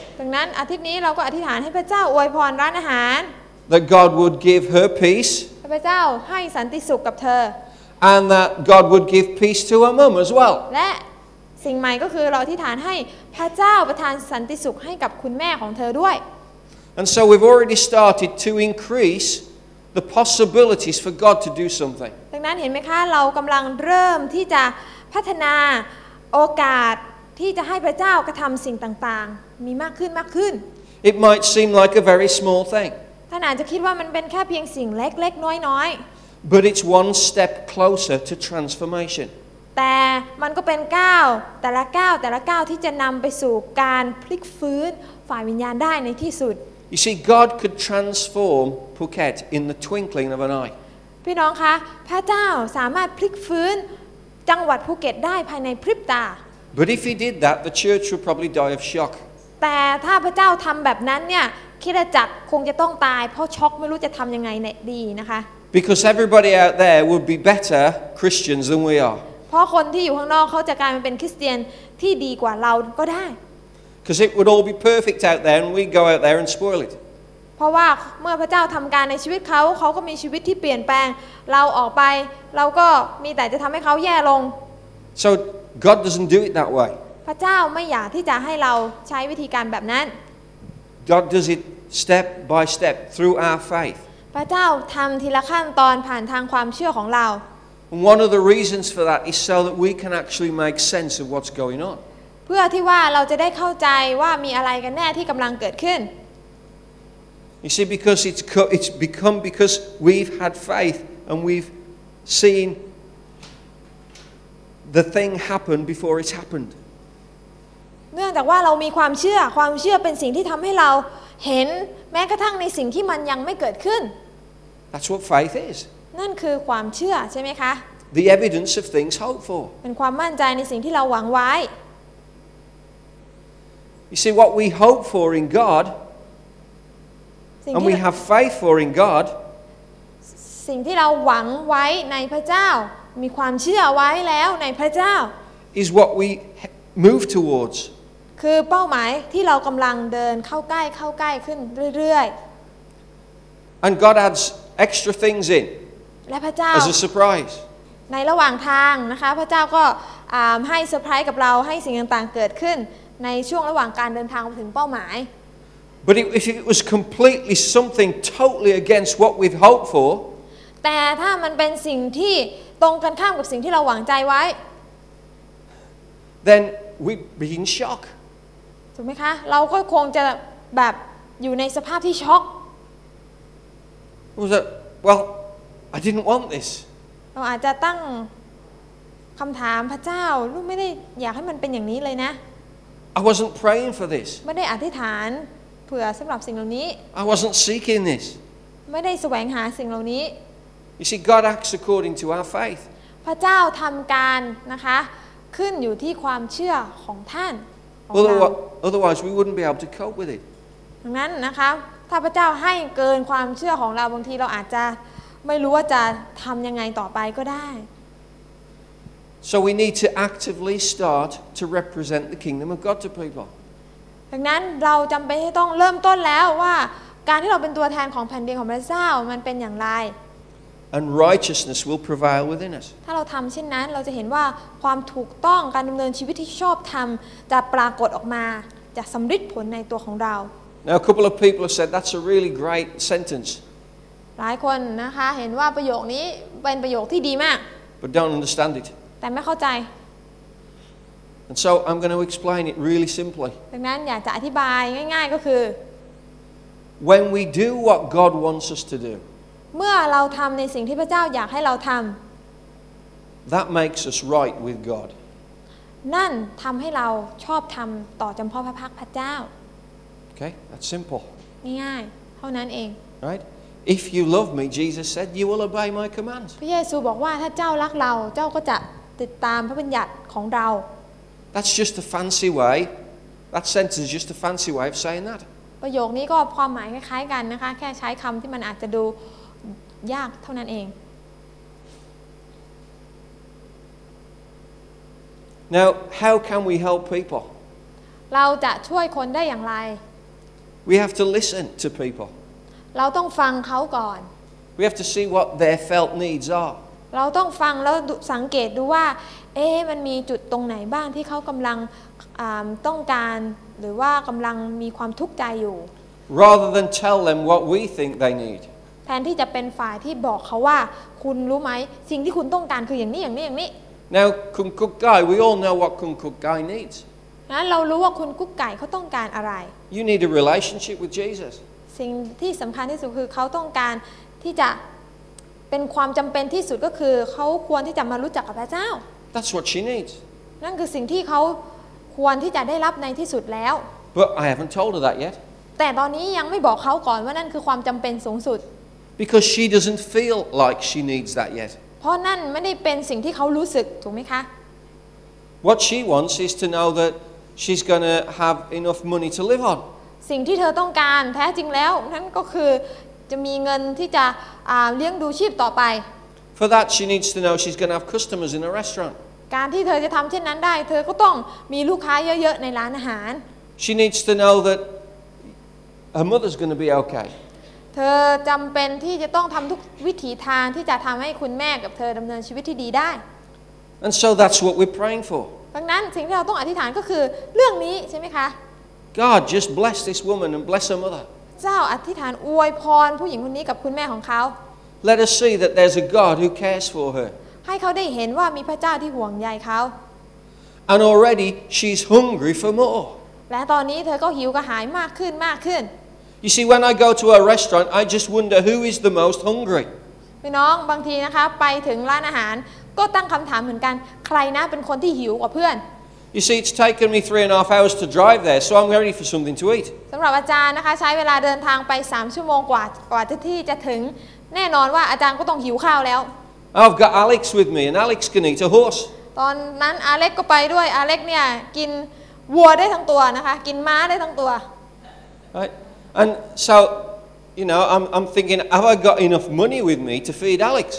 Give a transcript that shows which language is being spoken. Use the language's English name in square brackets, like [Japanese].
[Thai] ดังนั้นอาทิตย์นี้เราก็อธิษฐานให้พระเจ้าอวยพรร้านอาหาร [English] That God would give her peace [Thai] พระเจ้าให้สันติสุขกับเธอ [English] And that God would give peace to her mum as well [Thai] และ สิ่งใหม่ก็คือเราอธิษฐานให้พระเจ้าประทานสันติสุขให้กับคุณแม่ของเธอด้วย [English] And so we've already started to increase the possibilities for God to do something [Thai] ดังนั้นเห็นไหมคะเรากำลังเริ่มที่จะพัฒนาโอกาสที่จะให้พระเจ้ากระทำสิ่งต่างๆมีมากขึ้นมากขึ้น [English] It might seem like a very small thing [Thai] ท่านอาจจะคิดว่ามันเป็นแค่เพียงสิ่งเล็กๆน้อย [English] ๆ But it's one step closer to transformation [Thai] แต่มันก็เป็นก้าวแต่ละก้าวแต่ละก้าวที่จะนำไปสู่การพลิกฟื้นฝ่ายวิญญาณได้ในที่สุด [English] You see God could transform Phuket in the twinkling of an eye [Thai] พี่น้องคะพระเจ้าสามารถพลิกฟื้นจังหวัดภูเก็ตได้ภายในพริบตา [English] But if he did that the church would probably die of shock [Thai] แต่ถ้าพระเจ้าทำแบบนั้นเนี่ยคิดจักคงจะต้องตายเพราะช็อกไม่รู้จะทำยังไงดีนะคะ [English] Because everybody out there would be better Christians than we are [Thai] เพราะคนที่อยู่ข้างนอกเขาจะกลายมาเป็นคริสเตียนที่ดีกว่าเราก็ได้ [English] Cuz it would all be perfect out there and we go out there and spoil it [Thai] เพราะว่าเมื่อพระเจ้าทำการในชีวิตเขาก็มีชีวิตที่เปลี่ยนแปลงเราออกไปเราก็มีแต่จะทำให้เขาแย่ลง [English] So God doesn't do it that way [Thai] พระเจ้าไม่อยากที่จะให้เราใช้วิธีการแบบนั้น [English] God does it step by step through our faith. [Thai] พระเจ้าทำทีละขั้นตอนผ่านทางความเชื่อของเรา [English] One of the reasons for that is so that we can actually make sense of what's going on. [Thai] เพื่อที่ว่าเราจะได้เข้าใจว่ามีอะไรกันแน่ที่กำลังเกิดขึ้น [English] You see, because it's become because we've had faith and we've seen the thing happen before it's happened. [Thai] เนื่องจากว่าเรามีความเชื่อเป็นสิ่งที่ทำให้เราเห็นแม้กระทั่งในสิ่งที่มันยังไม่เกิดขึ้น [English] That's what faith is [Thai] นั่นคือความเชื่อใช่ไหมคะ [English] The evidence of things hoped for [Thai] เป็นความมั่นใจในสิ่งที่เราหวังไว้ [English] You see what we hope for in God and we have faith for in God [Thai] สิ่งที่เราหวังไว้ในพระเจ้ามีความเชื่อไว้แล้วในพระเจ้า [English] is what weMove towards. [Thai] คือเป้าหมายที่เรากำลังเดินเข้าใกล้ขึ้นเรื่อย [English] ๆ And God adds extra things in. [Thai] และพระเจ้า [English] As a surprise. [Thai] ในระหว่างทางนะคะพระเจ้าก็ให้เซอร์ไพรส์กับเราให้สิ่งต่างๆเกิดขึ้นในช่วงระหว่างการเดินทางไปถึงเป้าหมาย [English] But if it was completely something totally against what we've hoped for. [Thai] แต่ถ้ามันเป็นสิ่งที่ตรงกันข้ามกับสิ่งที่เราหวังใจไว้ [English] Then we'd be in shock. [Thai] ถูกไหมคะเราก็คงจะแบบอยู่ในสภาพที่ช็อก [English] Well, I didn't want this. [Thai] เราอาจจะตั้งคำถามพระเจ้าลูกไม่ได้อยากให้มันเป็นอย่างนี้เลยนะ [English] I wasn't praying for this. [Thai] ไม่ได้อธิษฐานเผื่อสำหรับสิ่งเหล่านี้ [English] I wasn't seeking this. [Thai] ไม่ได้แสวงหาสิ่งเหล่านี้ [English] You see, God acts according to our faith. [Thai] พระเจ้าทำการนะคะขึ้นอยู่ที่ความเชื่อของท่าน [English] Otherwise we wouldn't be able to cope with it [Thai] ดังนั้นนะคะถ้าพระเจ้าให้เกินความเชื่อของเราบางทีเราอาจจะไม่รู้ว่าจะทำยังไงต่อไปก็ได้ [English] So we need to actively start to represent the kingdom of God to people [Thai] ดังนั้นเราจำเป็นที่ต้องเริ่มต้นแล้วว่าการที่เราเป็นตัวแทนของแผ่นดินของพระเจ้ามันเป็นอย่างไร [English] And righteousness will prevail within us. [Thai] ถ้าเราทำเช่นนั้นเราจะเห็นว่าความถูกต้องการดำเนินชีวิตที่ชอบธรรมจะปรากฏออกมาจะสำฤทธิ์ผลในตัวของเรา [English] Now a couple of people have said that's a really great sentence. [Thai] หลายคนนะคะเห็นว่าประโยคนี้เป็นประโยคที่ดีมาก [English] But don't understand it. [Thai] แต่ไม่เข้าใจ [English] And so I'm going to explain it really simply. [Thai] ดังนั้นอยากจะอธิบายง่ายๆก็คือ [English] When we do what God wants us to do. [Thai] เมื่อเราทำในสิ่งที่พระเจ้าอยากให้เราทำ [English] That makes us right with God [Thai] นั่นทำให้เราชอบธรรมต่อจำเพาะพระพักตร์พระเจ้า [English] Okay that's simple [Thai] ง่ายๆเท่านั้นเอง [English] Right If you love me Jesus said you will obey my commands [Thai] พระเยซูบอกว่าถ้าเจ้ารักเราเจ้าก็จะติดตามพระบัญญัติของเรา [English] That's just a fancy way That sentence is just a fancy way of saying that [Thai] ประโยคนี้ก็ความหมายคล้ายๆกันนะคะแค่ใช้คำที่มันอาจจะดูยากเท่านั้นเอง [English] Now how can we help people [Thai] เราจะช่วยคนได้อย่างไร [English] We have to listen to people [Thai] เราต้องฟังเขาก่อน [English] We have to see what their felt needs are [Thai] เราต้องฟังแล้วสังเกตดูว่ามันมีจุดตรงไหนบ้างที่เขากำลังต้องการหรือว่ากำลังมีความทุกข์ใจอยู่ [English] Rather than tell them what we think they need [Thai] แทนที่จะเป็นฝ่ายที่บอกเขาว่าคุณรู้ไหมสิ่งที่คุณต้องการคืออย่างนี้อย่างนี้อย่างนี้ [English] Now คุณกุ๊กไก่ we all know what คุณกุ๊กไก่ needs [Thai] นะเรารู้ว่าคุณกุ๊กไก่เขาต้องการอะไร [English] You need a relationship with Jesus [Thai] สิ่งที่สำคัญที่สุดคือเขาต้องการที่จะเป็นความจำเป็นที่สุดก็คือเขาควรที่จะมารู้จักกับพระเจ้า [English] That's what she needs [Thai] นั่นคือสิ่งที่เขาควรที่จะได้รับในที่สุดแล้ว [English] But I haven't told her that yet [Thai] แต่ตอนนี้ยังไม่บอกเขาก่อนว่านั่นคือความจำเป็นสูงสุด [English] Because she doesn't feel like she needs that yet. [Thai] พอนั่นไม่ได้เป็นสิ่งที่เขารู้สึกถูกไหมคะ [English] What she wants is to know that she's gonna have enough money to live on. [Thai] สิ่งที่เธอต้องการแท้จริงแล้วนั่นก็คือจะมีเงินที่จะเลี้ยงดูชีพต่อไป [English] For that she needs to know she's gonna have customers in a restaurant. [Thai] การที่เธอจะทำเช่นนั้นได้เธอก็ต้องมีลูกค้าเยอะๆในร้านอาหาร [English] She needs to know that her mother's gonna be okay. [Thai] เธอจำเป็นที่จะต้องทำทุกวิถีทางที่จะทำให้คุณแม่กับเธอดำเนินชีวิตที่ดีได้ [English] And so that's what we're praying for [Thai] ดังนั้นสิ่งที่เราต้องอธิษฐานก็คือเรื่องนี้ใช่ไหมคะ [English] God just bless this woman and bless her mother [Thai] เจ้าอธิษฐานอวยพรผู้หญิงคนนี้กับคุณแม่ของเขา [English] Let us see that there's a God who cares for her [Thai] ให้เขาได้เห็นว่ามีพระเจ้าที่ห่วงใยเขา [English] And already she's hungry for more [Thai] และตอนนี้เธอก็หิวกระหายมากขึ้นมากขึ้น [English] You see, when I go to a restaurant, I just wonder who is the most hungry. [Thai] พี่น้องบางทีนะคะไปถึงร้านอาหารก็ตั้งคำถามเหมือนกันใครนะเป็นคนที่หิวกว่าเพื่อน [English] You see, it's taken me 3.5 hours to drive there, so I'm ready for something to eat. [Thai] สำหรับอาจารย์นะคะใช้เวลาเดินทางไป3 ชั่วโมงกว่าที่จะถึงแน่นอนว่าอาจารย์ก็ต้องหิวข้าวแล้ว [English] I've got Alex with me, and Alex can eat a horse. [Thai] ตอนนั้นอเล็กก็ไปด้วยอเล็กเนี่ยกินวัวได้ทั้งตัวนะคะกินม้าได้ทั้งตัว [English] Right. And so, you know, I'm thinking, have I got enough money with me to feed Alex?